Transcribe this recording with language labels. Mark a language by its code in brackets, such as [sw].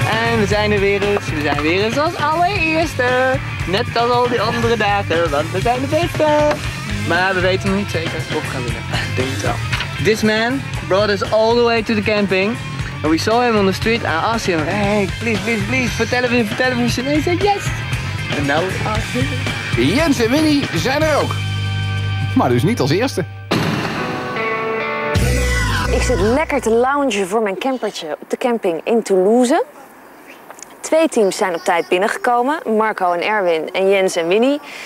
[nl] En we zijn er weer eens. We zijn weer eens als allereerste. Net als al die andere dagen, want we zijn de beste. Maar we weten nog niet zeker of we gaan winnen. Denk het wel. [en] This man brought us all the way to the camping. And we saw him on the street and asked him, hey, please, [nl] vertel hem. En hij zei, [en] yes. And now we are. [nl] Jens en Winnie zijn er ook. Maar dus niet als eerste. Ik zit lekker te loungen voor mijn campertje op de camping in Toulouse. 2 teams zijn op tijd binnengekomen. Marco en Erwin en Jens en Winnie.